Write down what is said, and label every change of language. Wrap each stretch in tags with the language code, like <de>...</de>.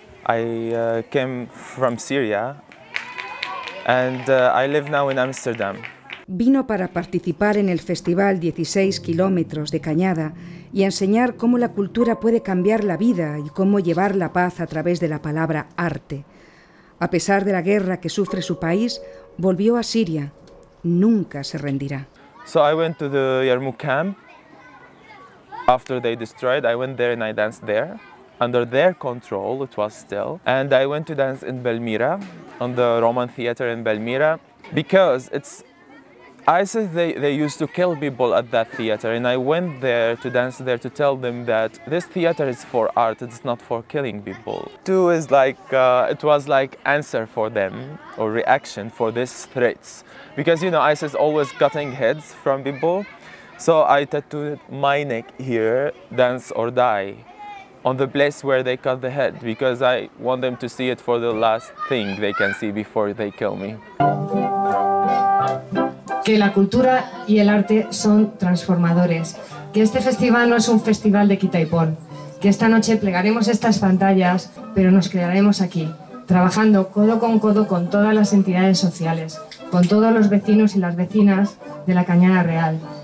<en>I came from Syria and I live now in Amsterdam.</en> <es>Vino para participar en el festival 16 kilómetros de Cañada y enseñar cómo la cultura puede cambiar la vida y cómo llevar la paz a través de la palabra arte. A pesar de la guerra que sufre su país, volvió a Siria. Nunca se rendirá.</es> <en>So I went to the Yarmouk camp. After they destroyed, I went there and I danced there. Under their control, it was still. And I went to dance in Belmira, on the Roman theater in Belmira, because it's ISIS, they used to kill people at that theater, and I went there to dance there to tell them that this theater is for art, it's not for killing people. Two is like, it was like answer for them, or reaction for these threats. Because, you know, ISIS always cutting heads from people. So I tattooed my neck here, dance or die, on the place where they cut the head, because I want them to see it for the last thing they can see before they kill me.</en> <es>Que la cultura y el arte son transformadores. Que este festival no es un festival de quita y pon. Que esta noche plegaremos estas pantallas, pero nos quedaremos aquí, trabajando codo con todas las entidades sociales, con todos los vecinos y las vecinas de la Cañada Real.</es>